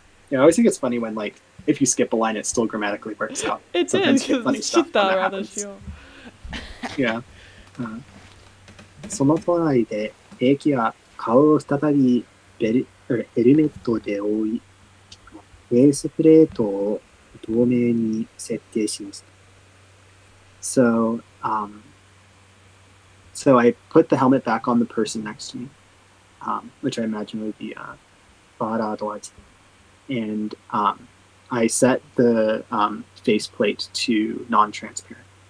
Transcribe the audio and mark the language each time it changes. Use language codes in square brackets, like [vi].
[en] Yeah, I always think it's funny when, like, if you skip a line, it still grammatically works out. It sometimes did. Sometimes you get funny stuff when that happens. Rather yeah. [ja] その隣で兵器は顔を再びヘルメットで覆い、フェイスプレートを透明に設定しました。 [en] So, so I put the helmet back on the person next to me, which I imagine would be Baradwaji. And I set the faceplate to non-transparent.